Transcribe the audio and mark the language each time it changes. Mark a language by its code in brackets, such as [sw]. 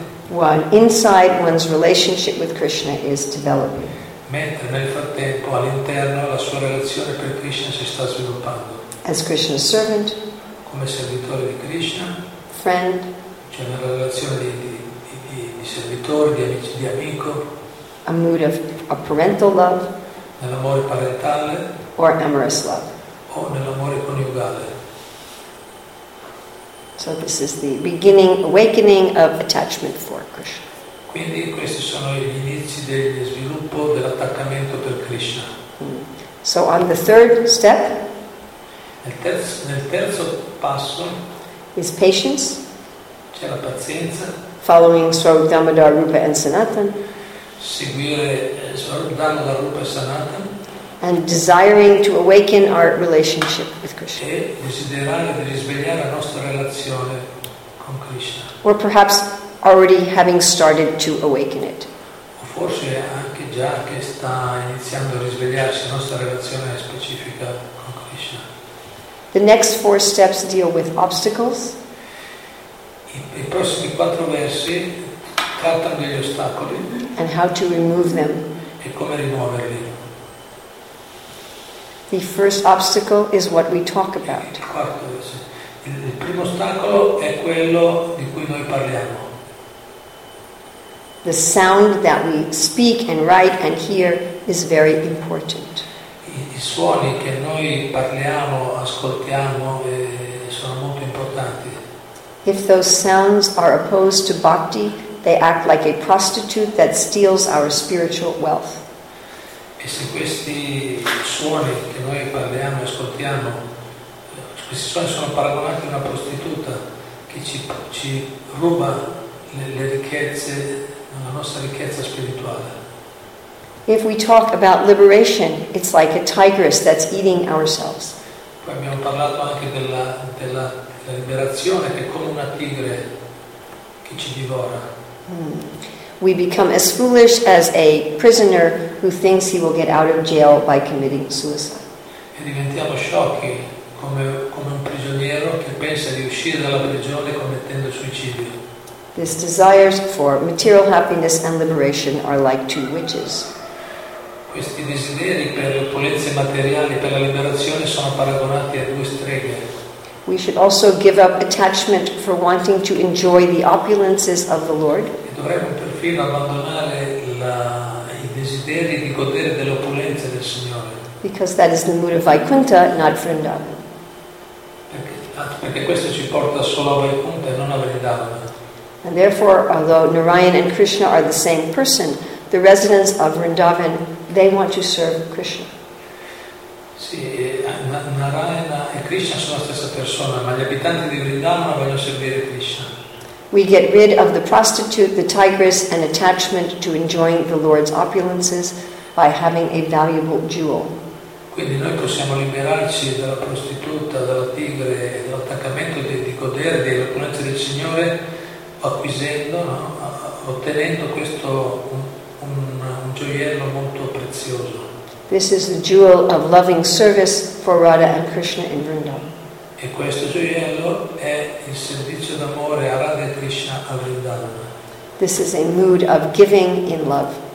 [en] One inside one's relationship with Krishna is developing. [it] Mentre nel frattempo all'interno la sua relazione per Krishna si sta sviluppando. [en] As Krishna's servant. [it] Come servitore di Krishna. [en] Friend. [it] C'è una relazione di servitore, di amici, di amico. [en] A mood of a parental love. [it] Nell'amore parentale. [en] Or amorous love. [it] O nell'amore coniugale. [en] So this is the beginning, awakening of attachment for Krishna. [it] Quindi questi sono gli inizi dello sviluppo dell'attaccamento per Krishna. [en] So on the third step. [it] Nel terzo passo. [en] Is patience. [it] C'è la pazienza. [en] Following Swarup Damodar, Rupa and Sanatan. [it] Seguire Swarup Damodar, Rupa e Sanatan. [en] And desiring to awaken our relationship with Krishna. [it] E desiderare di risvegliare la nostra relazione con Krishna. [en] Or perhaps already having started to awaken it. [it] O forse anche già che sta iniziando a risvegliarsi la nostra relazione specifica con Krishna. [en] The next four steps deal with obstacles. [it] I prossimi quattro versi trattano degli ostacoli. [en] And how to remove them. [it] E come rimuoverli. [en] The first obstacle is what we talk about. [it] Il primo ostacolo è quello di cui noi parliamo. [en] The sound that we speak and write and hear is very important. [it] I suoni che noi parliamo, ascoltiamo sono molto importanti. [en] If those sounds are opposed to bhakti, they act like a prostitute that steals our spiritual wealth. [it] E se questi suoni che noi parliamo e ascoltiamo, questi suoni sono paragonati a una prostituta che ci ruba le ricchezze, la nostra ricchezza spirituale. [en] If we talk about liberation, it's like a tigress that's eating ourselves. [it] abbiamo parlato anche della liberazione, che è come una tigre che ci divora. [en] We become as foolish as a prisoner who thinks he will get out of jail by committing suicide. [it] E diventiamo sciocchi come un prigioniero che pensa di uscire dalla prigione commettendo suicidio. [en] These desires for material happiness and liberation are like two witches. [it] Questi desideri per le opulenze materiali, per la liberazione, sono paragonati a due streghe. [en] We should also give up attachment for wanting to enjoy the opulences of the Lord. [it] E dovremmo perfino abbandonare i desideri di godere delle opulenze del Signore. [en] Because that is the mood of Vaikuntha, not Vrindavan. [it] Perché questo ci porta solo a Vaikuntha e non a Vrindavan. [en] And therefore, although Narayan and Krishna are the same person, the residents of Vrindavan, they want to serve Krishna. [it] Sì, Narayana e Krishna sono la stessa persona, ma gli abitanti di Vrindavan vogliono servire Krishna. [en] We get rid of the prostitute, the tigress, and attachment to enjoying the Lord's opulences by having a valuable jewel. [it] Quindi noi possiamo liberarci dalla prostituta, dalla tigre, dall'attaccamento di godere delle opulenze del Signore, acquisendo, no? Ottenendo questo un gioiello molto prezioso. [en] This is the jewel of loving service for Radha and Krishna in Vrindavan. [it] E questo gioiello è il servizio d'amore a Radha e Krishna a Vrindavan. [en] This is a mood of giving in love.